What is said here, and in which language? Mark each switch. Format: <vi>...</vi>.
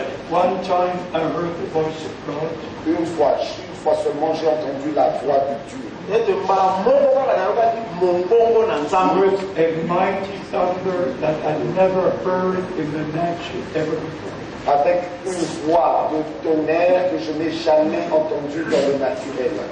<en>One time I heard the voice of God.</en> <fr>Une fois seulement j'ai entendu la voix de Dieu.</fr> <en>With a mighty thunder that I never heard in the natural ever before.</en> <fr>Avec une voix de tonnerre que je n'ai jamais entendue dans le naturel.</fr>